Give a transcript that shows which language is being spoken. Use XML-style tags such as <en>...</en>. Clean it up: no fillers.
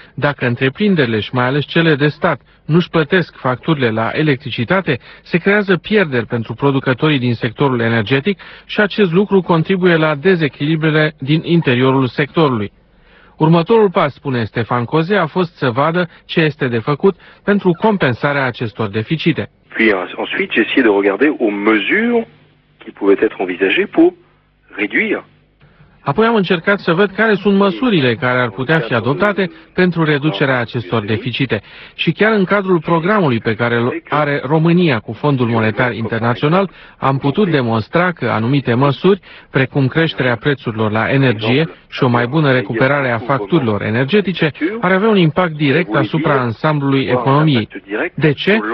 <ro>Dacă întreprinderile și mai ales cele de stat nu-și plătesc facturile la electricitate, se creează pierderi pentru producătorii din sectorul energetic și acest lucru contribuie la dezechilibrele din interiorul sectorului. Următorul pas, spune Stefan Cose, a fost să vadă ce este de făcut pentru compensarea acestor deficite.</ro> <fr>Ensuite, j'ai essayé de regarder aux mesures qui pouvaient être envisagées pour réduire.</fr> <ro>Apoi am încercat să văd care sunt măsurile care ar putea fi adoptate pentru reducerea acestor deficite. Și chiar în cadrul programului pe care îl are România cu Fondul Monetar Internațional, am putut demonstra că anumite măsuri, precum creșterea prețurilor la energie și o mai bună recuperare a facturilor energetice, ar avea un impact direct asupra ansamblului economiei. De ce?</ro>